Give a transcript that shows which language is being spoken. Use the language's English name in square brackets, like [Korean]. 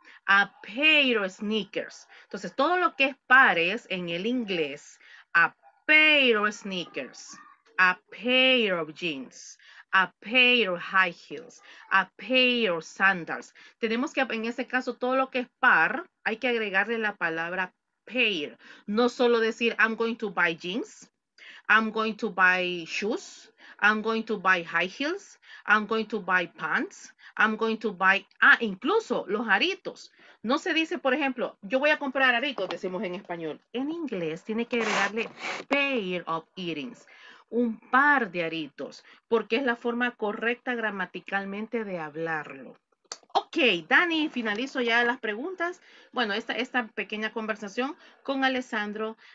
[English] A pair of sneakers. [Spanish] Entonces, todo lo que es pares en el inglés, [English] a pair of sneakers, a pair of jeans, a pair of high heels, a pair of sandals. [Spanish] Tenemos que, en ese caso, todo lo que es par, hay que agregarle la palabra pair. No solo decir, [English] I'm going to buy jeans, I'm going to buy shoes, I'm going to buy high heels, I'm going to buy pants, I'm going to buy, [Spanish] incluso los aritos. No se dice, por ejemplo, yo voy a comprar aritos, decimos en español. En inglés tiene que agregarle [English] pair of earrings, [Spanish] un par de aritos, porque es la forma correcta gramaticalmente de hablarlo. Ok, Dani, finalizo ya las preguntas. Bueno, esta pequeña conversación con Alessandro.